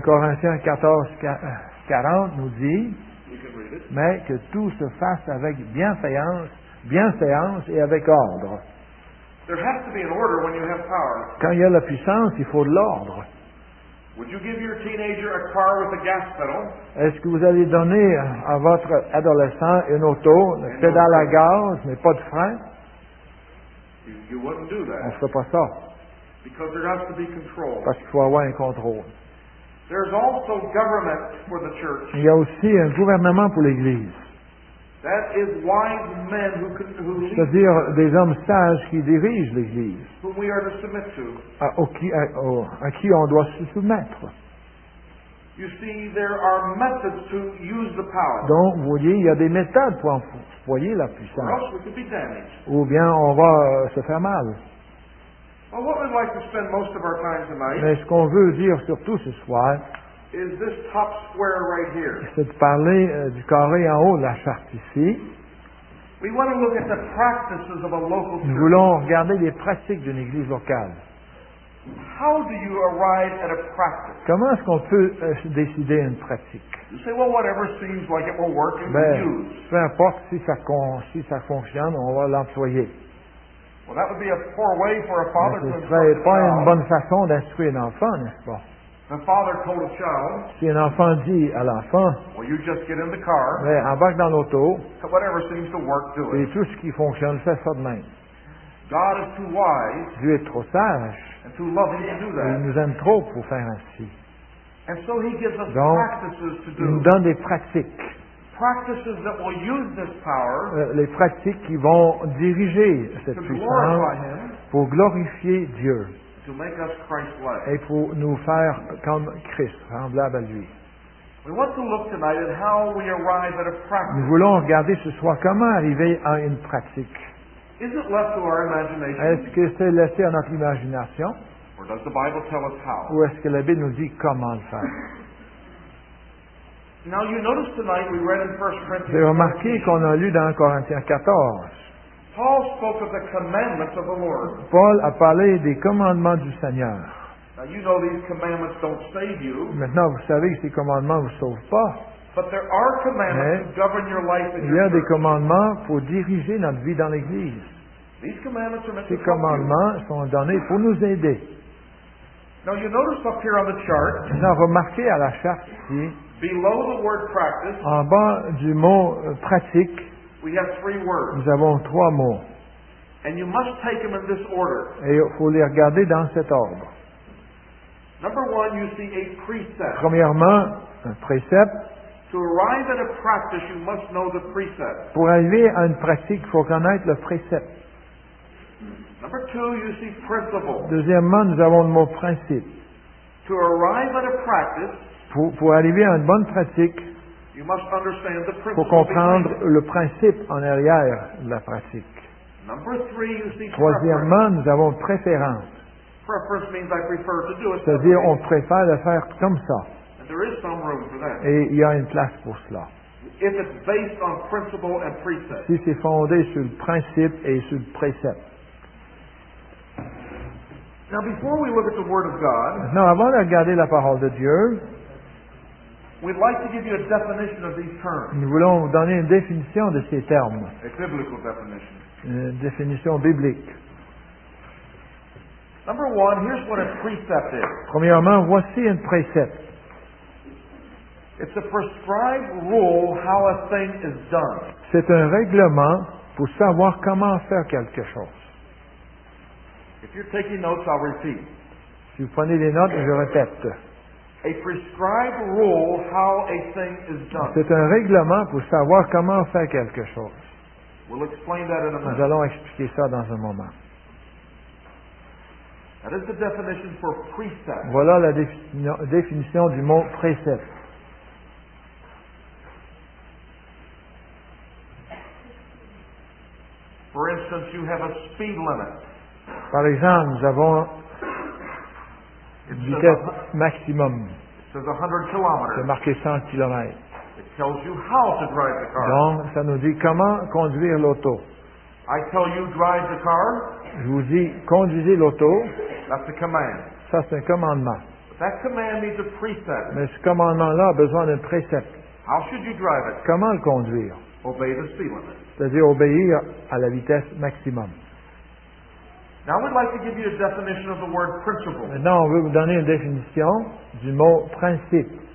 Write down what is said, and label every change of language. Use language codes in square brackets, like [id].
[fr] Corinthiens 14, 40 nous dit, mais que tout se fasse avec bienséance et avec ordre. [en] There has to be an order when you have power. [fr] Quand il y a la puissance, il faut de l'ordre. [en] Would you give your teenager a car with a gas pedal? [fr] Est-ce que vous allez donner à votre adolescent une auto, une pédale à gaz, mais pas de frein? [en] You wouldn't do that. [fr] On ne ferait pas ça. [en] Because there has to be control. [fr] Parce qu'il faut avoir un contrôle. [en] There's also government for the church. [fr] Il y a aussi un gouvernement pour l'Église. [en] That is wise men who lead. [fr] C'est-à-dire des hommes sages qui dirigent l'Église. [en] Whom we are to submit to. [fr] À qui on doit se soumettre. [en] You see, there are methods to use the power. [fr] Donc, vous voyez, il y a des méthodes pour employer la puissance. [en] Or else we could be damaged. [fr] Ou bien on va se faire mal. [en] Well, what we'd like to spend most of our time tonight. [fr] Mais ce qu'on veut dire surtout ce soir. [en] Is this top square right here? [fr] C'est de parler du carré en haut de la charte ici. [en] We want to look at the practices of a local church. [fr] Nous voulons regarder les pratiques d'une église locale. [en] How do you arrive at a practice? [fr] Comment est-ce qu'on peut décider une pratique? [en] You say, well, whatever seems like it will work, it will use. [fr] Peu importe si ça fonctionne, on va l'employer. [en] Well, that would be a poor way for a father [fr] ce [en] to [fr] serait [en] instruct [fr] pas [en] a child. [fr] Une bonne façon d'instruire un enfant, n'est-ce pas? [en] The father told a child, [fr] si un enfant dit à l'enfant, [en] well, you just get in the car, [fr] mais embarque dans l'auto, [en] whatever seems to work, do it. [fr] Et tout ce qui fonctionne, fais ça de même. [en] God is too wise, [fr] Dieu est trop sage, [en] and too loving to do that. [fr] Et il nous aime trop pour faire ainsi. [en] And so he gives us [fr] donc, [en] practices to do. [fr] Il nous donne des pratiques. [en] Practices that will use this power, [fr] les pratiques qui vont diriger cette puissance pour glorifier Dieu [en] to make us Christ-like. [fr] Et pour nous faire comme Christ, semblable à lui. [en] We want to look tonight at how we arrive at a practice. [fr] Nous voulons regarder ce soir comment arriver à une pratique. [en] Is it left to our imagination? [fr] Est-ce que c'est laissé à notre imagination? [en] Or does the Bible tell us how? [fr] Ou est-ce que la Bible nous dit comment le faire? [en] Now you notice tonight we read in 1 Corinthians. [fr] Vous avez remarqué qu'on a lu dans 1 Corinthiens 14. [en] Paul spoke of the commandments of the Lord. [fr] Paul a parlé des commandements du Seigneur. [en] Now you know these commandments don't save you. [fr] Maintenant, vous savez que ces commandements ne vous sauvent pas. [en] But there are commandments to govern your life in [fr] Il y a des commandements pour diriger notre vie dans l'Église. [en] These commandments are meant to help you. [fr] Ces commandements sont donnés pour nous aider. [en] Now you notice up here on the chart. [fr] Maintenant, remarquez à la charte ici. [en] Below the word practice. [fr] En bas du mot pratique. [en] We have three words. [fr] Nous avons trois mots. [en] And you must take them in this order. [fr] Et il faut les regarder dans cet ordre. [en] Number one, you see a precept. [fr] Premièrement, un précepte. [en] To arrive at a practice, you must know the precept. [fr] Pour arriver à une pratique, il faut connaître le précepte. [en] Number two, you see principle. [fr] Deuxièmement, nous avons le mot principe. [en] To arrive at a practice, [fr] pour arriver à une bonne pratique, [en] you must understand the principle. [fr] Faut comprendre le principe en arrière de la pratique. [en] Number three, you see [fr] Troisièmement, nous avons préférence. [en] Preference means I prefer to do it. [fr] C'est-à-dire, on préfère le faire comme ça. [en] And there is some room for that. [fr] Et il y a une place pour cela. [en] If it's based on principle and precept. [fr] Si c'est fondé sur le principe et sur le précepte. [en] Now, before we look at the Word of God, [fr] Maintenant, avant de regarder la parole de Dieu, [en] we'd like to give you a definition of these terms. [fr] Nous voulons vous donner une définition de ces termes. [en] A biblical definition. [fr] Une définition biblique. [en] Number one, here's what a precept is. [fr] Premièrement, voici un précepte. [en] It's a prescribed rule how a thing is done. [fr] C'est un règlement pour savoir comment faire quelque chose. [en] If you're taking notes, I'll repeat. [fr] Si vous prenez des notes, je répète. [en] A prescribed rule how a thing is done. [fr] C'est un règlement pour savoir comment faire quelque chose. [en] We'll explain that in a minute. [fr] Nous allons expliquer ça dans un moment. [en] That is the definition for precept. [fr] Voilà la définition du mot précepte. [en] For instance, you have a speed limit. [fr] Par exemple, nous avons une vitesse maximum. C'est marqué 100 km. [en] It tells you how to drive the car. [fr] Donc, ça nous dit comment conduire l'auto. [en] I tell you, drive the car. [fr] Je vous dis, conduisez l'auto. [en] That's a command. [fr] Ça, c'est un commandement. [en] That command needs a precept. [fr] Mais ce commandement-là a besoin d'un précepte. [en] How should you drive it? [fr] Comment le conduire? [en] Obey the speed limit. [fr] C'est-à-dire obéir à la vitesse maximum. [en] Now we'd like to give you a definition of the word principle. [fr] Maintenant, on veut vous donner une définition du mot principe.